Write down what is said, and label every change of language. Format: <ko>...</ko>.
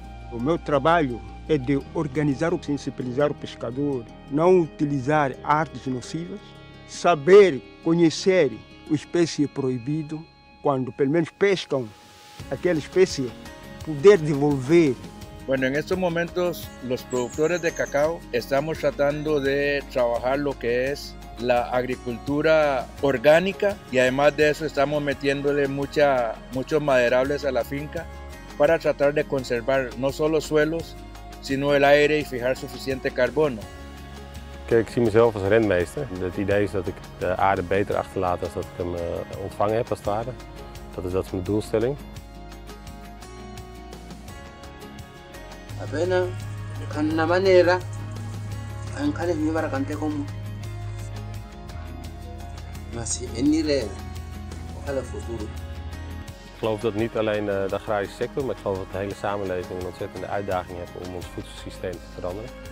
<pt>O meu trabalho é de organizar ou sensibilizar o pescador, não utilizar artes nocivas, saber conhecer a espécie proibida, quando pelo menos pescam aquela espécie, poder devolver.</pt> <es>Bueno, en estos momentos, los productores de cacao estamos tratando de trabajar lo que es la agricultura orgánica y además de eso estamos metiéndole muchos maderables a la finca para tratar de conservar no solo suelos, sino el aire y fijar suficiente carbono.</es> <nl>Kijk, ik zie mezelf als rentmeester. Het idee is dat ik de aarde beter achterlaat als dat ik hem ontvangen heb als het ware. Dat is mijn doelstelling.</nl> <es>Apenas con una manera en cada mi barracante como más en ir a lo futuro.</es> <nl>Ik geloof dat niet alleen de agrarische sector, maar ik geloof dat de hele samenleving een ontzettende uitdaging heeft om ons voedselsysteem te veranderen.</nl>